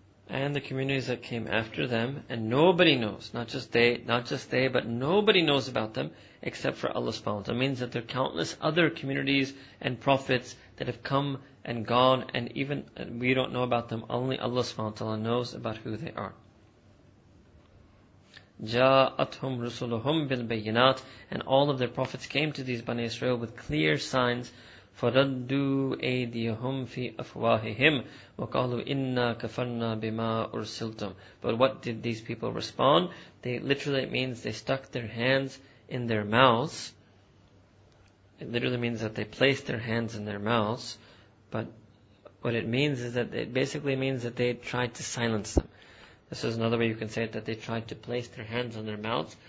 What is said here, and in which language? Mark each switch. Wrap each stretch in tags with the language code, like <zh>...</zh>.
<en>and the communities that came after them, and nobody knows, not just they, but nobody knows about them except for Allah subhanahu wa ta'ala. It means that there are countless other communities and prophets that have come and gone, and even we don't know about them, only Allah subhanahu wa ta'ala knows about who they are.</en> <ar>جَاءَتْهُمْ رُسُلُهُمْ بِالْبَيِّنَاتِ,</ar> <en>and all of their prophets came to these Bani Israel with clear signs.</en> <ar>فَرَدُّوا أَيْدِيَهُمْ فِي أَفْوَاهِهِمْ وَقَالُوا إِنَّا كَفَرْنَا بِمَا أُرْسِلْتُمْ,</ar> <en>but what did these people respond? They literally, it means they stuck their hands in their mouths. It literally means that they placed their hands in their mouths. But what it means is that it basically means that they tried to silence them. This is another way you can say it, that they tried to place their hands on their mouths.</en>